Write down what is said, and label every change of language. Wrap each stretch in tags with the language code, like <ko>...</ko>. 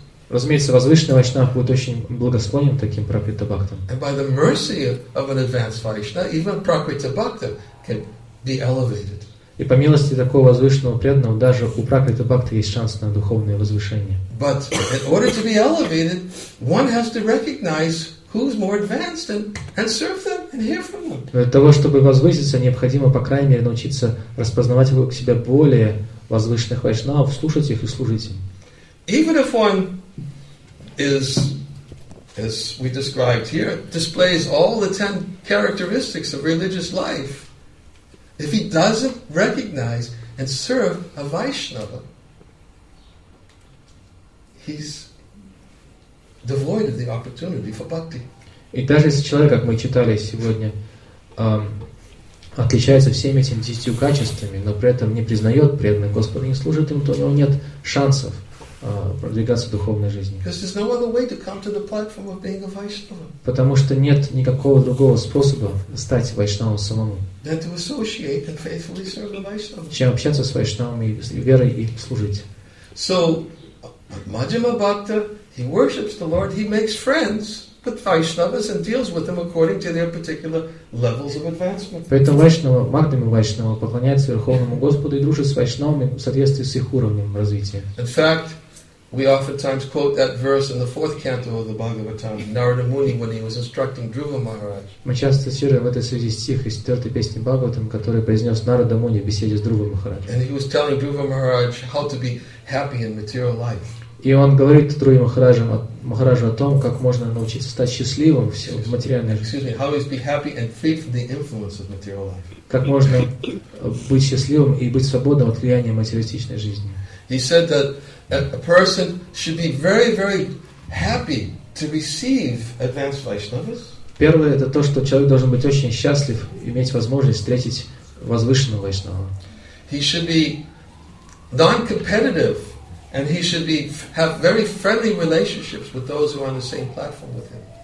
<ru>Разумеется, возвышенный вайшнав будет очень благосклонен таким пракрита бхактам.</ru> <en>И by the mercy of an advanced Vaishnava, even pракрита бхакта can be elevated.</en> <ru>И по милости такого возвышенного преданного даже у пракрита бхакты есть шанс на духовное возвышение.</ru> <en>But in order to be elevated, one has to recognize who's more advanced and serve them and hear from them.</en> <ru>Для того, чтобы возвыситься, необходимо по крайней мере научиться распознавать вокруг себя более возвышенных вайшнавов, слушать их и служить им.</ru> <en>Even if one is, as we described here, displays all the 10 characteristics of religious life, if he doesn't recognize and serve a Vaishnava, he's devoid of the opportunity for bhakti.</en> <ru>И даже если человек, как мы читали сегодня, отличается всеми этими 10 качествами, но при этом не признает преданных Господа, не служит им, то у него нет шансов продвигаться в духовной жизни.</ru> <en>Because there's no other way to come to the platform of being a Vaishnava.</en> <ru>Потому что нет никакого другого способа стать вайшнавом самому.</ru> <en>Than to associate and faithfully serve the Vaishnava.</en> <ru>Чем общаться с вайшнавами и верой и служить.</ru> <en>So, Madhyama Bhakta, he worships the Lord, he makes friends with Vaishnavas and deals with them according to their particular levels of advancement.</en> <ru>Поэтому вайшнава, Мадхима вайшнава поклоняется Верховному Господу и дружит с вайшнавами в соответствии с их уровнем развития.</ru> <en>In fact, we oftentimes quote that verse in the fourth canto of the Bhagavatam, Narada Muni, when he was instructing Dhruva Maharaj.</en> <ru>Мы часто цитируем в этой связи стих из четвертой песни Бхагаватам, который произнес Нарада Муни в беседе с Друвой Махарадж.</ru> <en>And he was telling Dhruva Maharaj how to be happy in material life.</en> <ru>И он говорит Друвой Махараджу о том, как можно научиться стать счастливым в материальной жизни.</ru> <en>Excuse me, how is be happy and free from the influence of material life?</en> <ru>Как можно быть счастливым и быть свободным от влияния материалистичной жизни?</ru> <en>He said that a person should be very, very happy to receive advanced Vaishnavas.</en> <ru>Первое это то, что человек должен быть очень счастлив иметь возможность встретить возвышенного Вайшнава.</ru> <en>He should be non-competitive. And he should have very friendly relationships with those who are on the same platform with him.</en>